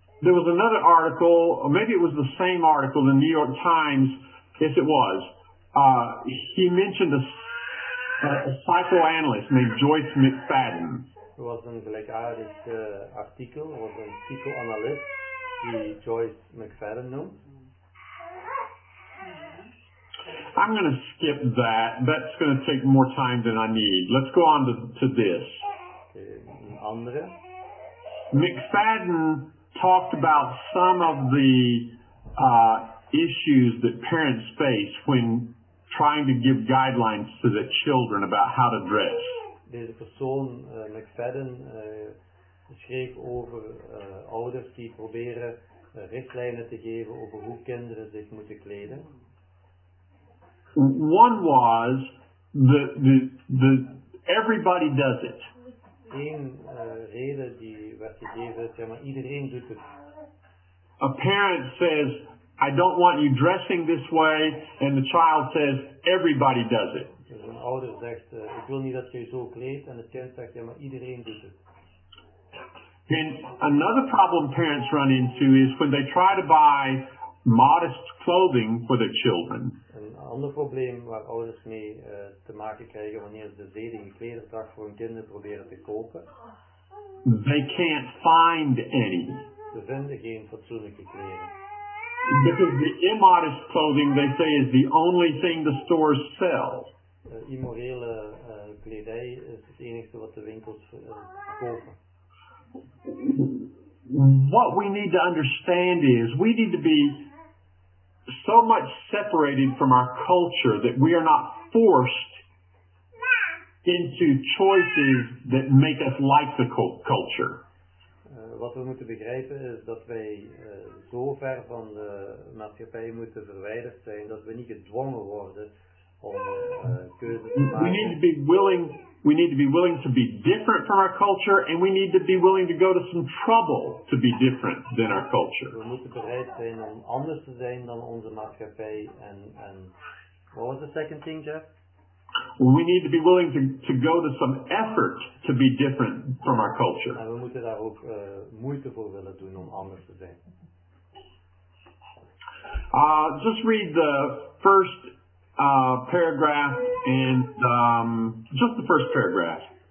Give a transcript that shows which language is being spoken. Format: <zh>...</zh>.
<en>There was another article, or maybe it was the same article, the New York Times. Yes, it was. He mentioned a psychoanalyst named Joyce McFadden. It was</en> <nl>een gelijkaardig artikel, was een psychoanalyst die Joyce McFadden noemt.</nl> <en>I'm going to skip that. That's going to take more time than I need. Let's go on to this.</en> <nl>Andere.</nl> <en>McFadden talked about some of the issues that parents face when trying to give guidelines to the children about how to dress.</en> <nl>Deze persoon, McFadden, schreef over ouders die proberen richtlijnen te geven over hoe kinderen zich moeten kleden.</nl> <en>One was the everybody does it.</en> <nl>Eén reden die werd gegeven, zeg maar, iedereen doet het.</nl> <en>A parent says, I don't want you dressing this way, and the child says, everybody does it.</en> <nl>Dus een ouder zegt, ik wil niet dat je zo kleedt, en het kind zegt, ja, maar iedereen doet het.</nl> <en>And another problem parents run into is when they try to buy modest clothing for their children.</en> <nl>Een ander probleem waar ouders mee te maken krijgen wanneer ze de zedige klederdracht voor hun kinderen proberen te kopen.</nl> <en>They can't find any.</en> <nl>Ze vinden geen fatsoenlijke kleren.</nl> <en>Because the immodest clothing they say is the only thing the stores sell.</en> <nl>Immorele kledij is het enige wat de winkels verkopen.</nl> <en>What we need to understand is we need to be so much separated from our culture that we are not forced into choices that make us like the culture.</en> <nl>Wat we moeten begrijpen is dat wij zo ver van de maatschappij moeten verwijderd zijn dat we niet gedwongen worden om keuzes te maken.</nl> <en>We need to be willing to be different from our culture, and we need to be willing to go to some trouble to be different than our culture.</en> <nl>We moeten bereid zijn om anders te zijn dan onze maatschappij. En</nl> <en>what was the second thing, Jeff? We need to be willing to go to some effort to be different from our culture.</en> <nl>En we moeten daar ook moeite voor willen doen om anders te zijn.</nl> <en>Just read the first paragraph and just the first paragraph.</en>